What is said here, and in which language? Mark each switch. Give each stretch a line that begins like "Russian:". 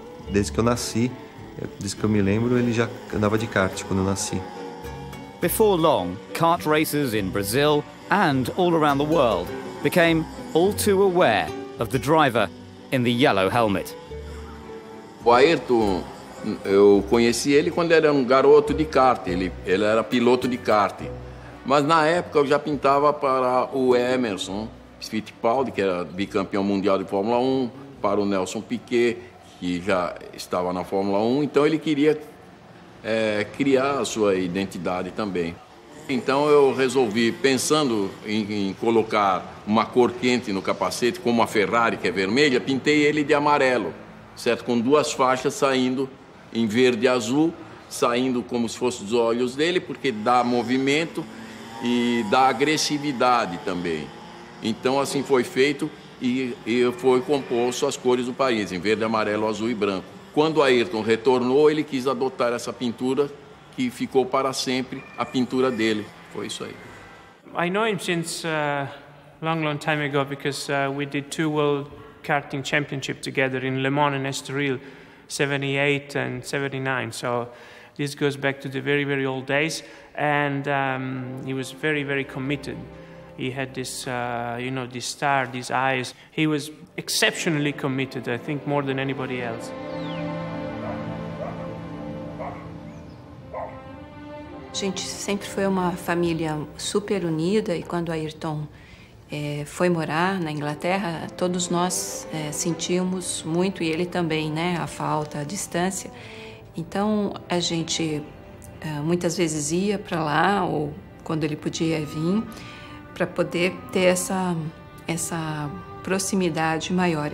Portuguese: Desde que eu nasci, desde que eu me lembro, ele já andava de kart quando eu nasci.
English: Before long, kart races in Brazil and all around the world became all too aware of the driver in the yellow helmet.
Portuguese: O Ayrton, eu conheci ele quando era um garoto de kart, ele era piloto de kart. Mas na época eu já pintava para o Emerson Fittipaldi, que era bicampeão mundial de Fórmula 1, para o Nelson Piquet, que já estava na Fórmula 1, então ele queria criar a sua identidade também. Então eu resolvi, pensando em colocar uma cor quente no capacete, como a Ferrari, que é vermelha, pintei ele de amarelo, certo? Com duas faixas saindo em verde e azul, saindo como se fossem os olhos dele, porque dá movimento e dá agressividade também. Então assim foi feito. E foi composto as cores do país, em verde, amarelo, azul e branco. Quando Ayrton retornou, ele quis adotar essa pintura, que ficou para sempre a pintura dele. Foi isso aí.
English: I know him since a long, long time ago, because we did two World Karting Championship together in Le Mans and Estoril, 78 and 79. So this goes back to the very, very old days. And he was very, very committed. He had this, you know, this star, these eyes. He was exceptionally committed, I think, more than anybody else.
Portuguese: A gente sempre foi uma família super unida, e quando Ayrton foi morar na Inglaterra, todos nós sentimos muito, e ele também, né, a falta, a distância. Então, a gente muitas vezes ia para lá, ou quando ele podia vir, para poder ter essa proximidade maior.